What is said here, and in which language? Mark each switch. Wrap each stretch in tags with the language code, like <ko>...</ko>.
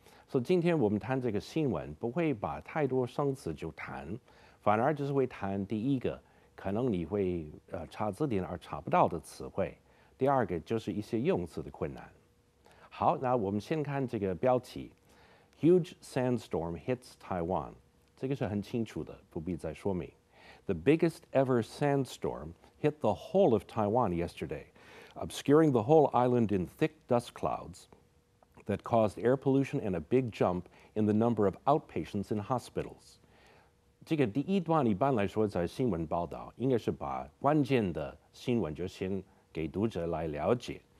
<zh>所以今天我们谈这个新闻，不会把太多生词就谈，反而就是会谈第一个，可能你会查字典而查不到的词汇；第二个就是一些用词的困难。好，那我们先看这个标题 ：</zh> <en>Huge sandstorm hits Taiwan。</en> <zh>这个是很清楚的，不必再说明。</zh> <en>The biggest ever sandstorm hit the whole of Taiwan yesterday, obscuring the whole island in thick dust clouds that caused air pollution and a big jump in the number of outpatients in hospitals.</en> <zh>这个第一段一般来说在新闻报道，应该是把关键的新闻就先给读者来了解。</zh>